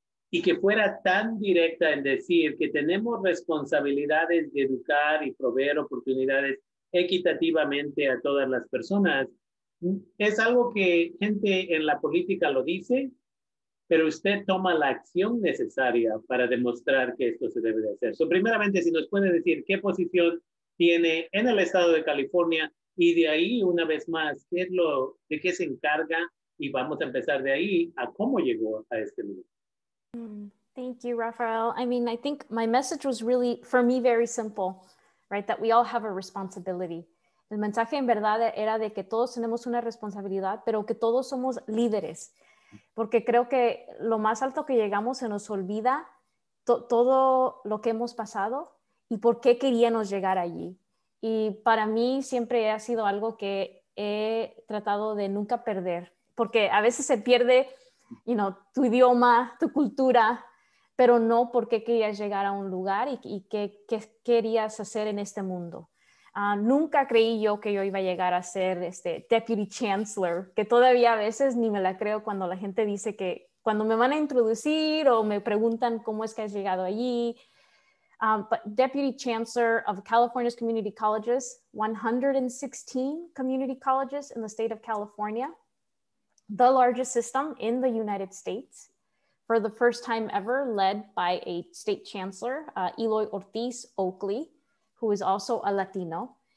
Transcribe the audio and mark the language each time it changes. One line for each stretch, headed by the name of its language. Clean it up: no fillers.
Spanish: y que fuera tan directa en decir que tenemos responsabilidades de educar y proveer oportunidades equitativamente a todas las personas, es algo que gente en la política lo dice, pero usted toma la acción necesaria para demostrar que esto se debe de hacer. So, primeramente, si nos puede decir qué posición tiene en el estado de California, y de ahí, una vez más, ¿qué es de qué se encarga? Y vamos a empezar de ahí a cómo llegó a este lugar.
English: Thank you, Rafael. I mean, I think my message was really, for me, very simple, right? That we all have a responsibility.
Spanish: El mensaje en verdad era de que todos tenemos una responsabilidad, pero que todos somos líderes. Porque creo que lo más alto que llegamos se nos olvida todo lo que hemos pasado y por qué queríamos llegar allí. Y para mí siempre ha sido algo que he tratado de nunca perder, porque a veces se pierde, you know, tu idioma, tu cultura, pero no por qué querías llegar a un lugar y qué querías hacer en este mundo. Nunca creí yo que yo iba a llegar a ser Deputy Chancellor, que todavía a veces ni me la creo cuando la gente dice que, cuando me van a introducir o me preguntan cómo es que has llegado allí.
English: But Deputy Chancellor of California's Community Colleges, 116 community colleges in the state of California, the largest system in the United States, for the first time ever led by a state chancellor, Eloy Ortiz Oakley, who is also a Latino.